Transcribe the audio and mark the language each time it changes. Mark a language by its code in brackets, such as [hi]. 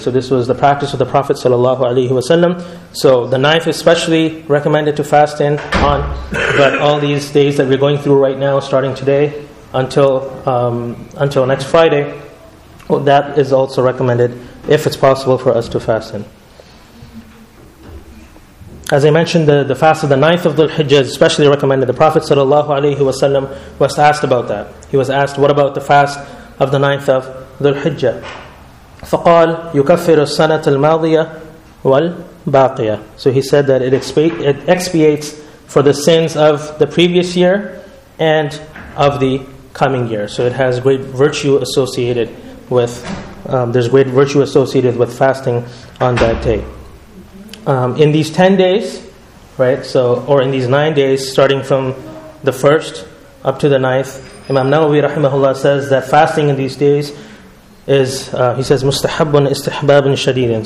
[en] So this was the practice of the Prophet sallallahu alayhi wasallam. So the ninth is specially recommended to fast in on, but all these days that we're going through right now, starting today until next Friday, well, that is also recommended if it's possible for us to fast in. As I mentioned, the fast of the ninth of Dhul Hijjah is especially recommended. The Prophet ﷺ was asked about that. He was asked, what about the fast of the ninth of Dhul Hijjah? [ar] فقال يكفر السنة الماضية والباقية. [en] So he said that it expiates for the sins of the previous year and of the coming year. So it has great virtue associated with, there's great virtue associated with fasting on that day. In these 10 days, right, so, or in these 9 days, starting from the 1st up to the 9th, Imam Nawawi rahimahullah says that fasting in these days is, he says, [ar] مُسْتَحَبٌ إِسْتِحْبَابٌ شَدِيدٌ.